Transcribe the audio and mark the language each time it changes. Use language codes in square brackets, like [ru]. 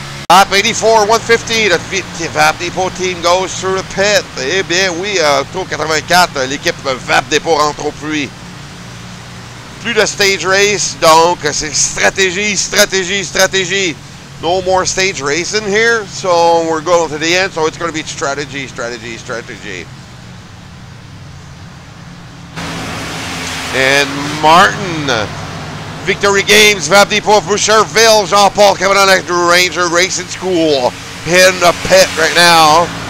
[en] Lap 84, 150, the Vape Depot team goes through the pit. [fr] Eh bien oui, tour 84, l'équipe Vape Depot rentre au puits. Plus de stage race, donc c'est stratégie, stratégie, stratégie. [en] No more stage racing here, so we're going to the end, so it's going to be strategy, strategy, strategy. And Martin. Victory Games, Vape Depot, Boucherville, Jean-Paul coming on at Ranger Racing School. Hitting the pit right now.